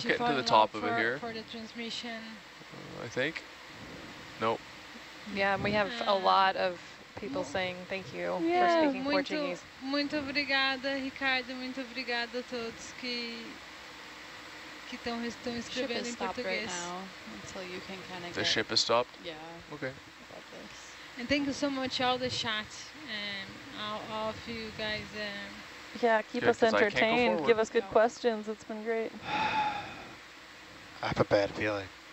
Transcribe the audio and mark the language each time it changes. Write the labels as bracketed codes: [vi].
[en] she getting to the top of it here for the transmission. I think. Nope. Yeah, we have a lot of people saying thank you yeah. for speaking Portuguese. [pt] Muito obrigada, Ricardo. Muito obrigada a todos que estão escrevendo em português. [en] Ship is stopped right now until you can kind of. The ship is stopped. Yeah. Okay. And thank you so much, all the chat, all of you guys. Yeah, keep good, us entertained. Give us good yeah. questions. It's been great. I have a bad feeling.